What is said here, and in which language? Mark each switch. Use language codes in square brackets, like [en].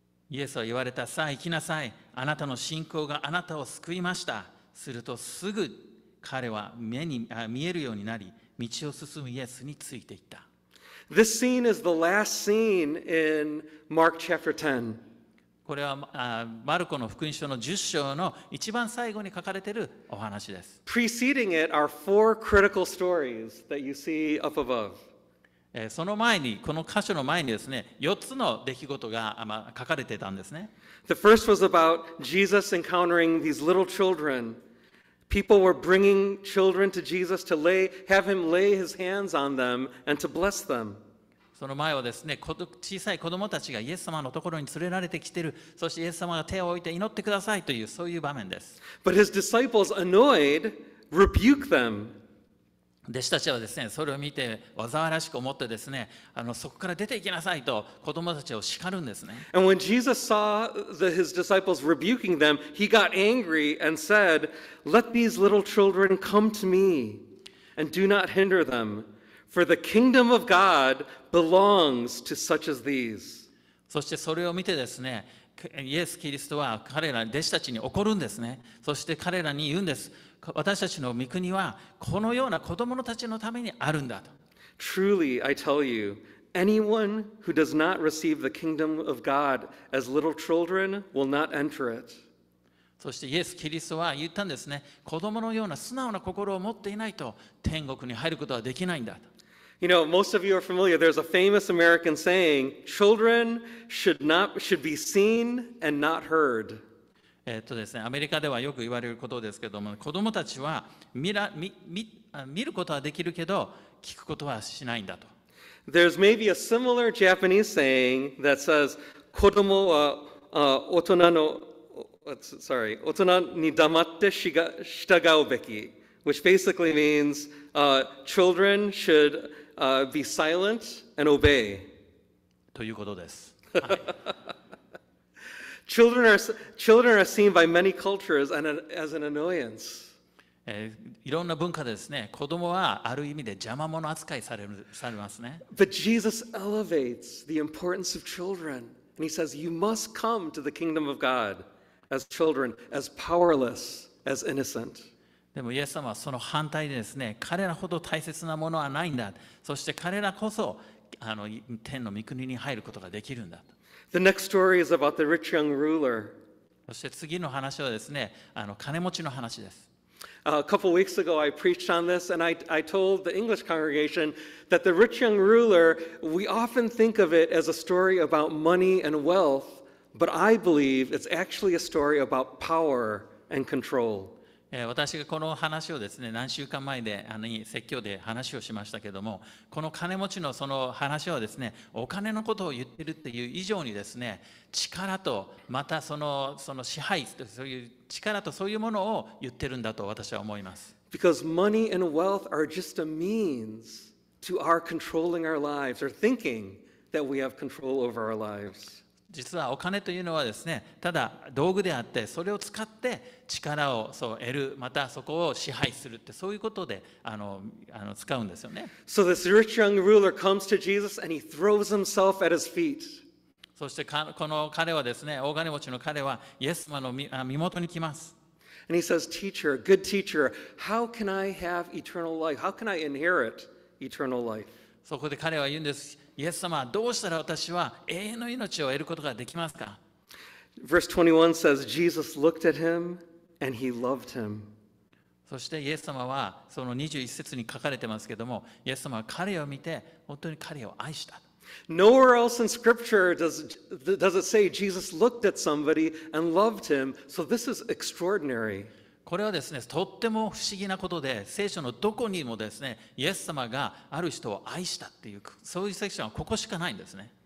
[ja] イエスは言われた、さあ行きなさい。あなたの信仰があなたを救いました。するとすぐ彼は見えるようになり、道を進むイエスについていった。 [en] This scene is the last scene in Mark chapter 10. [ja] これはマルコの福音書の10章の一番最後に書かれているお話です。 [en] Preceding it are four critical stories that you see up above. [ja] その前に、この箇所の前にですね、4つの出来事が書かれていたんですね。 [en] The first was about Jesus encountering these little children. People were bringing children to Jesus to have him lay his hands on them and to bless them. [ja] その前はですね、小さい子供たちがイエス様のところに連れられてきている、そしてイエス様が手を置いて祈ってくださいというそういう場面です。 [en] But his disciples annoyed, rebuke them. [ja] 弟子たちはですね、それを見て嘲笑しく思ってですね、そこから出て行きなさいと子供たちを叱るんですね。 [en] And when Jesus saw his disciples rebuking them, he got angry and said, Let these little children come to me and do not hinder them, for the kingdom of God belongs to such as these. [ja] そしてそれを見てですね、イエス・キリストは彼ら弟子たちに怒るんですね。そして彼らに言うんです。私たちの御国はこのような子供のたちのためにあるんだと。 [en] Truly, I tell you, anyone who does not receive the kingdom of God as little children will not enter it. [ja] そしてイエス・キリストは言ったんですね。子供のような素直な心を持っていないと天国に入ることはできないんだと。 [en] You know, most of you are familiar. There's a famous American saying, children should be seen and not heard. [ja] ですね、アメリカではよく言われることですけども、子どもたちは見ることはできるけど、聞くことはしないんだと。 [en] There's maybe a similar Japanese saying that says, [ja] 子どもは大人に黙って従うべき、 [en] which basically means, children should be silent and obey. [ja] ということです。 [en] Children are seen by many cultures as an annoyance. [ja] いろんな文化でですね、子供はある意味で邪魔者扱いされますね。 [en] But Jesus elevates the importance of children, and he says, "You must come to the kingdom of God as children, as powerless, as innocent." [ja] でもイエス様はその反対でですね、彼らほど大切なものはないんだ。そして彼らこそ天の御国に入ることができるんだ。 [en] The next story is about the rich young ruler. [ja] そして次の話はですね、金持ちの話です。 [en] A couple weeks ago, I preached on this, and I told the English congregation that the rich young ruler, we often think of it as a story about money and wealth, but I believe it's actually a story about power and control. [ja] 私がこの話をですね、何週間前で説教で話をしましたけども、この金持ちのその話はですね、お金のことを言ってるっていう以上にですね、力とまたその支配とそういう力とそういうものを言ってるんだと私は思います。 [en] Because money and wealth are just a means to our controlling our lives or thinking that we have control over our lives. [ja] 実はお金というのはですね、ただ道具であって、それを使って力をそう得る、またそこを支配するってそういうことで使うんですよね。 [en] So this rich young ruler comes to Jesus and he throws himself at his feet. [ja] そしてこの彼はですね、大金持ちの彼はイエス様の身元に来ます。 [en] And he says, "Teacher, good teacher, how can I have eternal life? How can I inherit eternal life?" [ja] そこで彼は言うんです。イエス様、どうしたら私は永遠の命を得ることができますか [en] ?Verse 21 says, "Jesus looked at him and he loved him." [ja] そしてイエス様はその21節に書かれてますけども、イエス様は彼を見て本当に彼を愛した。 [en] Nowhere else in Scripture does it say Jesus looked at somebody and loved him. So this is extraordinary. [ja] これはですね、とっても不思議なことで、聖書のどこにもですね、イエス様がある人を愛したっていう、そういうセクションはここしかないんですね。